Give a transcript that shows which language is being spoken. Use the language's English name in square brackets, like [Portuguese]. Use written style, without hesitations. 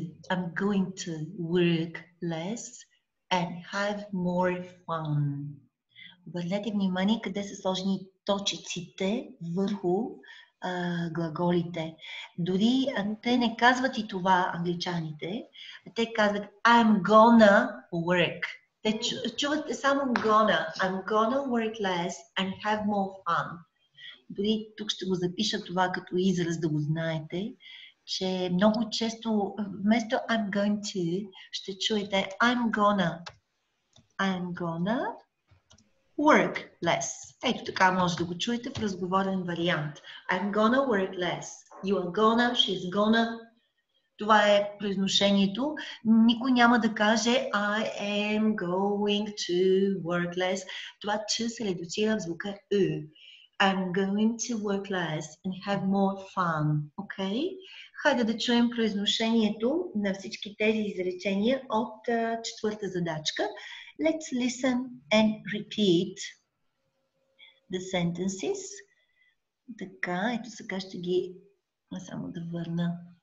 [English] I'm going to work less and have more fun. [Bulgarian] Обърнете внимание къде са сложени точиците върху глаголите. Дори те не казват и това, англичаните. Те казват [English] I'm gonna work. [Bulgarian] Те чувате само gonna. [English] I'm gonna work less and have more fun. [Bulgarian] Дори тук ще го запиша това като израз, да го знаете, че много често вместо [English] I'm going to [Bulgarian] ще чуете [English] I'm gonna work less. [Bulgarian] Ето така може да го чуете в разговорен вариант. [English] I'm gonna work less. You are gonna, she's gonna. [Bulgarian] Това е произношението. Никой няма да каже [English] I am going to work less. [Bulgarian] Това че се редуцира в звука U. [English] I'm going to work less and have more fun. Okay? [Bulgarian] Хайде да чуем произношението на всички тези изречения от четвърта задачка. [English] Let's listen and repeat the sentences. [Bulgarian] Така, ето сега ще ги само да върна.